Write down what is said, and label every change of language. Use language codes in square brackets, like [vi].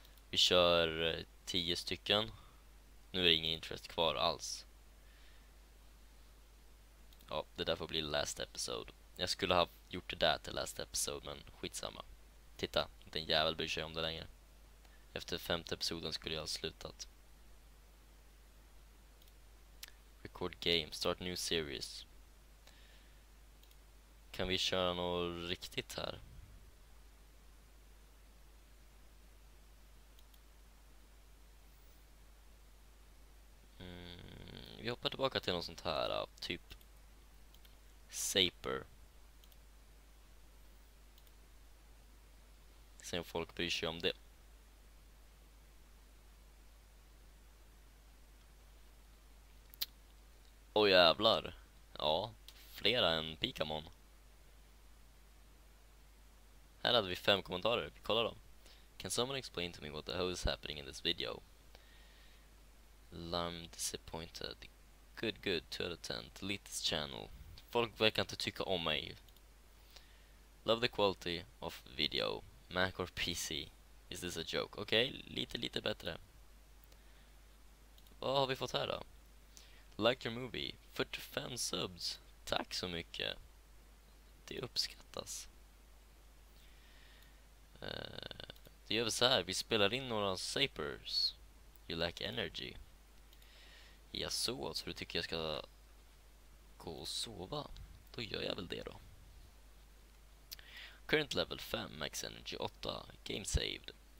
[sv] Vi kör 10 stycken. Nu är det ingen interest kvar alls. Ja, det där får bli [en] last episode. [sv] Jag skulle ha gjort det där till last episode, men skitsamma. Titta, inte en jävel bryr sig om det längre. Efter 5:e episoden skulle jag ha slutat. [en] Record game, start new series. [sv] Kan vi köra något riktigt här? Mm, vi hoppar tillbaka till något sånt här, typ Saper. Se om folk bryr sig om det. Åh jävlar. Ja, flera än Pikamon. Här hade vi 5 kommentarer. Vi kollar dem. [en] Can someone explain to me what the hell is happening in this video? I'm disappointed. Good, good. 2 out of 10. Delete this channel. [sv] Folk verkar inte tycka om mig. [en] Love the quality of video. Mac or PC? Is this a joke? [sv] Okej, lite bättre. Vad har vi fått här då? [en] Like your movie. [sv] 45 subs. Tack så mycket. Det uppskattas. Det gör vi så här. Vi spelar in några sapers. [en] You lack energy. [sv] Jag sov, så du tycker jag ska gå och sova. Då gör jag väl det då. [en] Current level 5, max energy 8, game saved.